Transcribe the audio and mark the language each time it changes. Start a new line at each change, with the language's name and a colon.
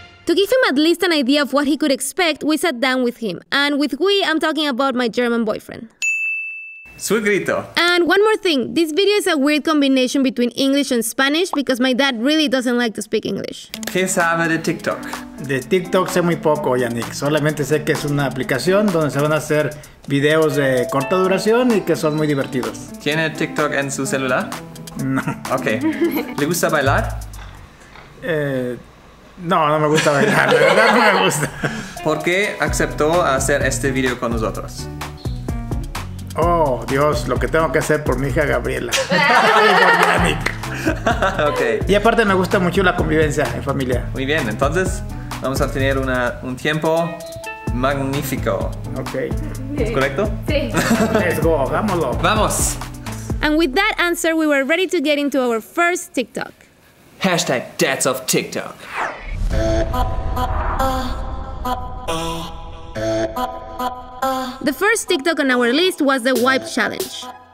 English: To give him at least an idea of what he could expect, we sat down with him. And with we, I'm talking about my German boyfriend. Sweet grito. And one more thing, this video is a weird combination between English and Spanish because my dad really doesn't like to speak English.
Spanish: ¿Qué sabe de TikTok? De TikTok sé muy poco, Janik. Solamente sé que es una aplicación donde se van a hacer videos de corta duración y que son muy divertidos. ¿Tiene TikTok en su celular? No. Ok. ¿Le gusta bailar? No me gusta bailar. La verdad no me gusta. ¿Por qué aceptó hacer este video con nosotros? Oh, Dios, lo que tengo que hacer por mi hija Gabriela. Janik. Okay. Y aparte me gusta mucho la convivencia en familia. Muy bien, entonces vamos a tener un tiempo magnífico. Okay. ¿Es correcto? Sí.
English: Let's go,
Spanish: vámonos. Vamos.
English: And with that answer, we were ready to get into our first TikTok. Hashtag dads of TikTok. The first TikTok on our list was the wipe challenge.